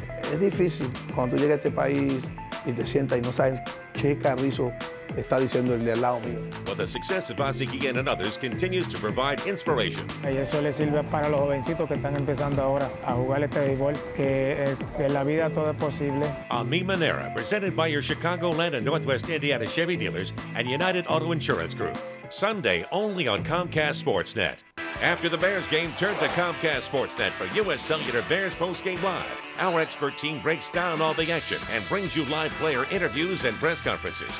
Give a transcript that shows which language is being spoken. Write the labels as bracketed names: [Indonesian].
[Spanish] Es difícil cuando llega a este país y te sientas y no sabes qué carrizo está diciendo el de al lado mío. [English] But the success of Ozzie Guillen and others continues to provide inspiration. [Spanish] Y eso le sirve para los jovencitos que están empezando ahora a jugar este béisbol, que en la vida todo es posible. [English] American Era, presented by your Chicagoland and Northwest Indiana Chevy dealers and United Auto Insurance Group. Sunday only on Comcast Sportsnet. After the Bears game, turn to Comcast Sportsnet for U.S. Cellular Bears Postgame Live. Our expert team breaks down all the action and brings you live player interviews and press conferences.